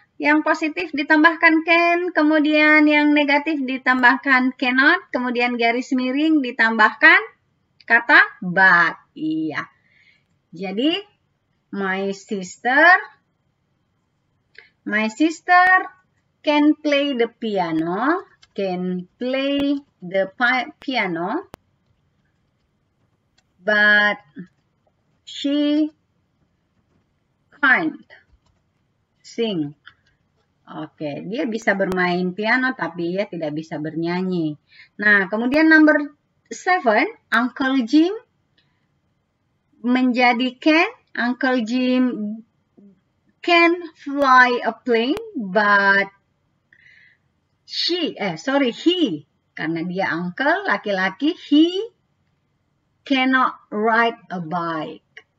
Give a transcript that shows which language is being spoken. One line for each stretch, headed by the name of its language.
Indonesian: Yang positif ditambahkan can, kemudian yang negatif ditambahkan cannot, kemudian garis miring ditambahkan kata but. Iya.
English: Jadi, my sister can play the piano, can play the piano, but she can't sing.
Indonesian: Oke, dia bisa bermain piano tapi ia tidak bisa bernyanyi. Nah, kemudian number 7, Uncle Jim menjadi Ken.
English: Uncle Jim can fly a plane, but she, eh sorry, he,
Indonesian: karena dia uncle laki-laki,
English: he cannot ride a bike.